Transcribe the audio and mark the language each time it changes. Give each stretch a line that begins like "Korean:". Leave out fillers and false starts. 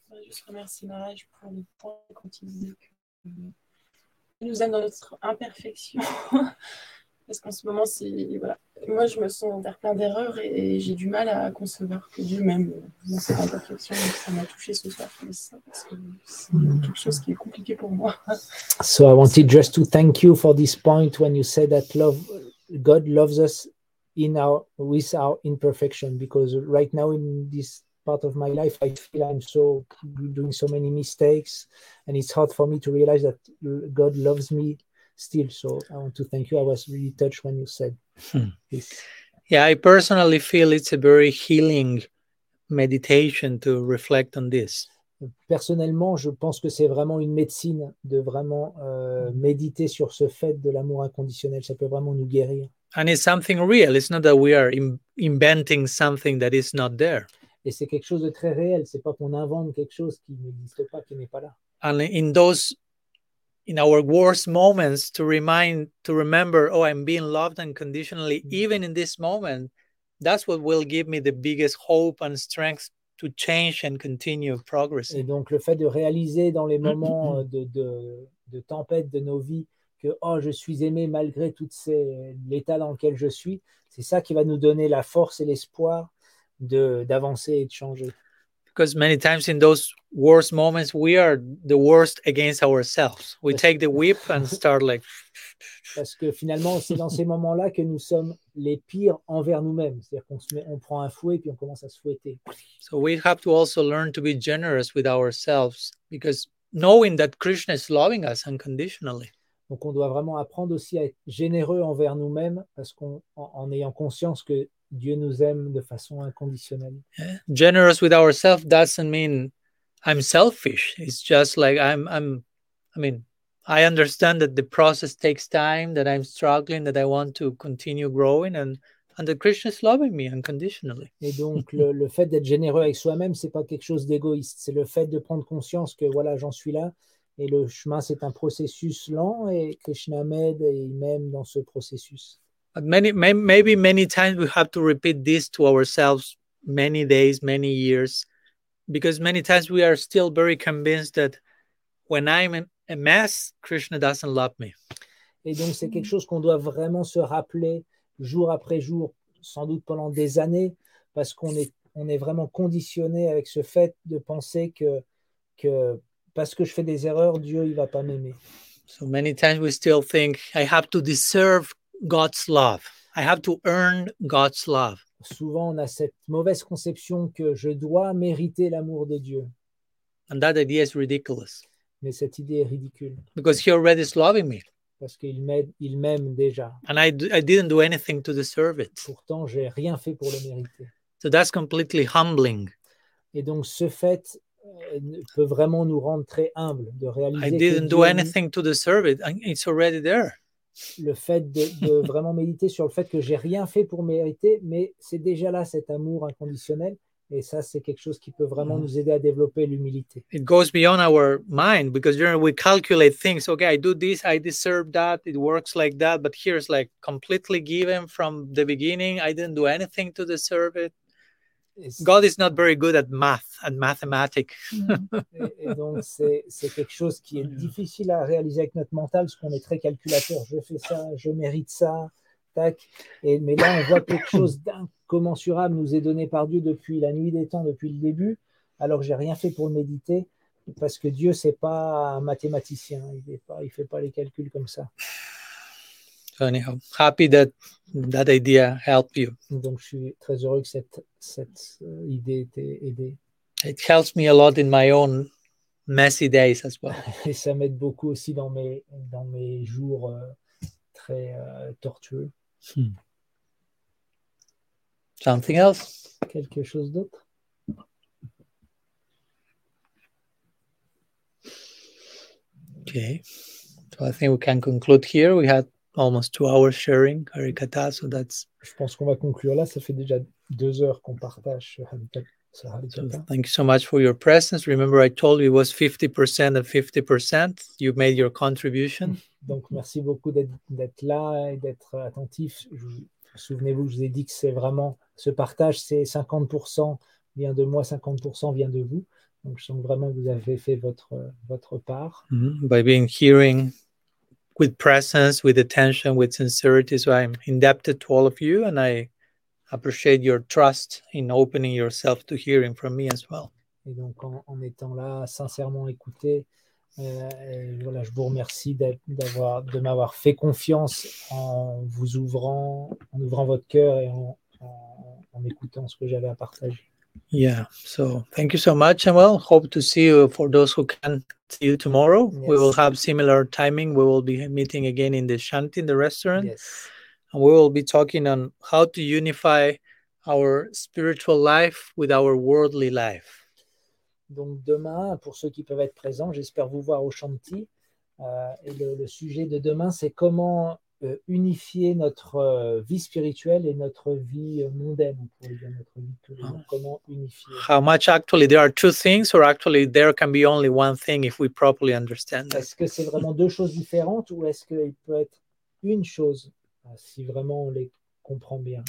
French: Je remercie Maraj pour le point quand il disait qu'il nous aime dans notre imperfection. Parce qu'en ce moment, moi, je me sens vers plein d'erreurs et j'ai du mal à concevoir que Dieu m'aime dans cette imperfection. Donc, ça m'a touché ce soir. Mais ça, parce que c'est quelque chose qui est compliqué pour moi.
English: So I wanted just to thank you for this point when you said that God loves us with our imperfection. Because right now in this part of my life, I feel I'm so doing so many mistakes, and it's hard for me to realize that God loves me still. So I want to thank you. I was really touched when you said this. Yeah, I personally feel it's a very healing meditation to reflect on this.
French: Personnellement, je pense que c'est vraiment une médecine de vraiment méditer sur ce fait de l'amour inconditionnel. Ça peut vraiment nous guérir.
English: And it's something real. It's not that we are inventing something that is not there.
French: Et c'est quelque chose de très réel. C'est pas qu'on invente quelque chose qui n'existe pas, qui n'est pas là.
English: And in those, in our worst moments, to remember, oh, I'm being loved unconditionally, even in this moment, that's what will give me the biggest hope and strength to change and continue progressing.
French: Et donc le fait de réaliser dans les moments de tempête de nos vies que oh, je suis aimé malgré tout l'état dans lequel je suis, c'est ça qui va nous donner la force et l'espoir d'avancer et de changer.
English: Because many times in those worst moments, we are the worst against ourselves. We take the whip and start like...
French: Parce que finalement, c'est dans ces moments-là que nous sommes les pires envers nous-mêmes. C'est-à-dire qu'on prend un fouet et puis on commence à se fouetter.
English: So we have to also learn to be generous with ourselves, because knowing that Krishna is loving us unconditionally.
French: Donc on doit vraiment apprendre aussi à être généreux envers nous-mêmes, parce qu'on en ayant conscience que Dieu nous aime de façon inconditionnelle.
English: Yeah. Generous with ourselves doesn't mean I'm selfish. It's just like I understand that the process takes time, that I'm struggling, that I want to continue growing, and that Krishna is loving me unconditionally.
French: Et donc le fait d'être généreux avec soi-même, c'est pas quelque chose d'égoïste. C'est le fait de prendre conscience que voilà, j'en suis là, et le chemin c'est un processus lent, et Krishna m'aide et il m'aime dans ce processus.
English: But many times we have to repeat this to ourselves, many days, many years, because many times we are still very convinced that when I'm a mess, Krishna doesn't love me.
French: Et donc c'est quelque chose qu'on doit vraiment se rappeler jour après jour, sans doute pendant des années, parce qu'on est vraiment conditionné avec ce fait de penser que parce que je fais des erreurs, Dieu il va pas m'aimer.
English: So many times we still think I have to deserve God's love. I have to earn God's love.
French: Souvent on a cette mauvaise conception que je dois mériter l'amour de Dieu.
English: And that idea is ridiculous.
French: Mais cette idée est ridicule.
English: Because he already is loving me.
French: Parce qu'il m'aime déjà.
English: And I didn't do anything to deserve it.
French: Pourtant, j'ai rien fait pour le mériter.
English: So that's completely humbling.
French: Et donc ce fait peut vraiment nous rendre très humbles de réaliser.
English: I didn't do anything to deserve it. It's already there.
French: Le fait de vraiment méditer sur le fait que j'ai rien fait pour mériter, mais c'est déjà là cet amour inconditionnel, et ça c'est quelque chose qui peut vraiment nous aider à développer l'humilité.
English: It goes beyond our mind because generally we calculate things. Okay, I do this, I deserve that, it works like that, but here it's like completely given from the beginning. I didn't do anything to deserve it. God is not very good at math and mathematics.
French: Et donc c'est quelque chose qui est difficile à réaliser avec notre mental, parce qu'on est très calculateur. Je fais ça, je mérite ça, tac. Et mais là, on voit quelque chose d'incommensurable nous est donné par Dieu depuis la nuit des temps, depuis le début. Alors j'ai rien fait pour méditer, parce que Dieu c'est pas un mathématicien. Il fait pas les calculs comme ça.
English: Anyhow, happy that idea helped you.
French: Donc je suis très heureux que cette idée t'ait aidé.
English: It helps me a lot in my own messy days as well.
French: Et ça m'aide beaucoup aussi dans mes jours très tortueux.
English: Something else?
French: Quelque chose d'autre?
English: Okay. So I think we can conclude here. We had almost 2 hours sharing Harikatha, so that's...
French: Je pense qu'on va conclure là, ça fait déjà 2 heures qu'on partage Harikatha.
English: So thank you so much for your presence. Remember, I told you it was 50% and 50%. You made your contribution.
French: Donc, merci beaucoup d'être là et d'être attentif. Souvenez-vous, je vous ai dit que c'est vraiment... Ce partage, c'est 50% vient de moi, 50% vient de vous. Donc, je sens que vraiment vous avez fait votre part.
English: By being hearing... with presence, with attention, with sincerity. So I'm indebted to all of you, and I appreciate your trust in opening yourself to hearing from me as well.
French: Et donc en étant là, sincèrement écouté, voilà, je vous remercie de m'avoir fait confiance en vous ouvrant, en ouvrant votre cœur et en écoutant ce que j'avais à partager.
English: Yeah, so thank you so much, and well, hope to see you for those who can see you tomorrow. Yes. We will have similar timing. We will be meeting again in the Shanti, in the restaurant. Yes. And we will be talking on how to unify our spiritual life with our worldly life.
French: Donc demain, pour ceux qui peuvent être présents, j'espère vous voir au Shanti. Et le sujet de demain, c'est comment unifier notre vie spirituelle et notre vie mondaine, on pourrait dire notre vie tous les jours. Comment unifier?
English: How much actually there are two things, or actually there can be only one thing if we properly understand.
French: Est-ce que c'est vraiment deux choses différentes, ou est-ce qu'il peut être une chose si vraiment on les comprend bien?